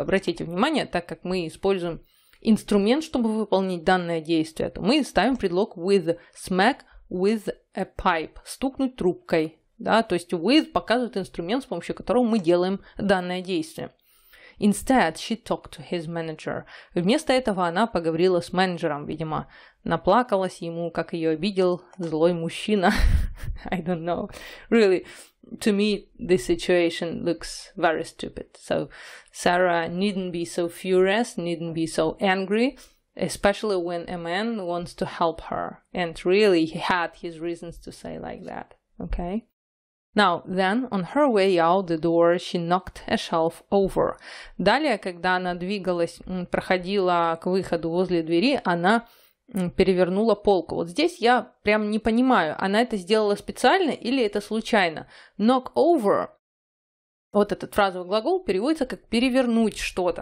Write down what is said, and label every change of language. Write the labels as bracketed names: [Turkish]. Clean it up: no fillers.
[Russian] Обратите внимание, так как мы используем инструмент, чтобы выполнить данное действие, то мы ставим предлог with, [English] smack with a pipe, [Russian] стукнуть трубкой. Да, то есть with показывает инструмент, с помощью которого мы делаем данное действие. [English] Instead, she talked to his manager. [Russian] Вместо этого она поговорила с менеджером, видимо. Наплакалась ему, как ее обидел злой мужчина. [English] I don't know. Really, to me, this situation looks very stupid. So, Sarah needn't be so furious, needn't be so angry, especially when a man wants to help her. And really, he had his reasons to say like that. Okay? Now, then, on her way out the door, she knocked a shelf over. [Russian] Далее, когда она двигалась, проходила к выходу возле двери, она перевернула полку. Вот здесь я прям не понимаю, она это сделала специально или это случайно. Knock over, вот этот фразовый глагол, переводится как перевернуть что-то.